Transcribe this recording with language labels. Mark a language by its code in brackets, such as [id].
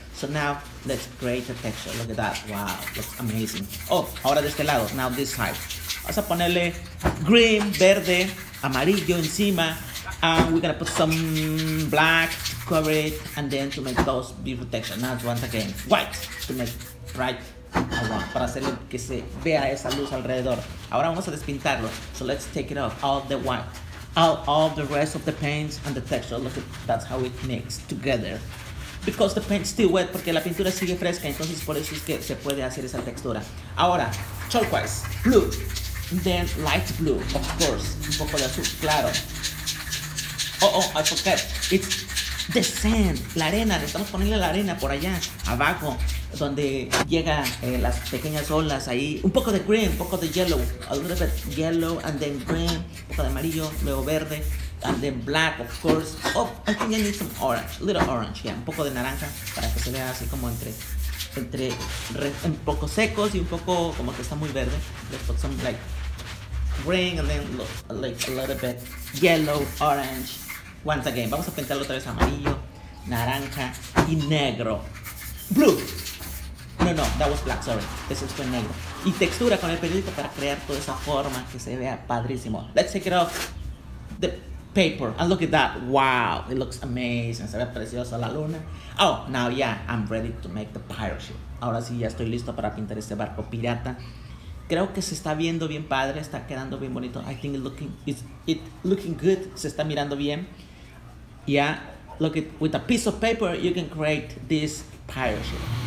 [en] So now, let's create a texture. Look at that. Wow, looks amazing. [es] Oh, ahora de este lado. [en] Now this side. [es] Vamos a ponerle green, verde, amarillo encima. [en] And we're gonna put some black to cover it. And then to make those beautiful textures. Now once again, white to make bright. [es] Para hacer que se vea esa luz alrededor. Ahora vamos a despintarlo. [en] So let's take it off. All the white. All the rest of the paints and the texture. Look at that's how it mix together. Because the paint's still wet. [es] Porque la pintura sigue fresca. Entonces por eso es que se puede hacer esa textura. Ahora, turquoise. Blue. [en] then light blue, of course, [es] un poco de azul, claro. [en] Oh, I forget, it's the sand, [es] la arena, necesitamos ponerle la arena por allá, abajo, donde llegan las pequeñas olas ahí, un poco de green, un poco de yellow, [en] a little bit yellow, and then green, [es] un poco de amarillo, luego verde, [en] and then black, of course. Oh, I think I need some orange, a little orange, yeah, [es] un poco de naranja, para que se vea así como entre un poco secos y un poco como que está muy verde. [en] Let's put some like green and then look, like a little bit yellow, orange. Once again, [es] vamos a pintarlo otra vez amarillo, naranja y negro. Blue. [en] No, that was black, sorry. This is for [es] negro. Y textura con el periódico para crear toda esa forma que se vea padrísimo. [en] Let's take it off the paper and look at that. Wow, it looks amazing. [es] Se ve preciosa la luna. [en] Oh, now yeah, I'm ready to make the pirate ship. [es] Ahora sí, ya estoy listo para pintar este barco pirata. Creo que se está viendo bien padre, está quedando bien bonito. [en] I think it's looking good. [es] Se está mirando bien. [en] Yeah, look at, with a piece of paper, you can create this pirate ship.